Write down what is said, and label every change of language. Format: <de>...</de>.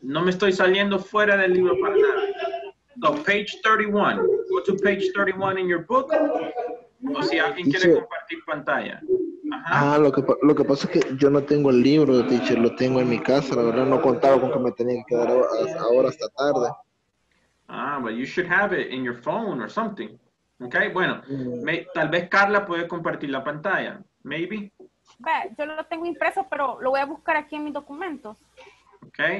<es>No me estoy saliendo fuera del libro para nada.</es> <en>So, page 31. Go to page 31 in your book.</en> <es>O si alguien quiere compartir pantalla. Ajá. Ah, lo que pasa es que yo no tengo el libro, teacher. Lo tengo en mi casa. La verdad, no contaba con que me tenía que quedar ahora hasta tarde.</es> <en>Ah, but you should have it in your phone or something.</en> <es>Okay, bueno. Tal vez Carla puede compartir la pantalla.</es> <en>Maybe.</en> <es>Yo lo tengo impreso, pero lo voy a buscar aquí en mis documentos. Ok.</es>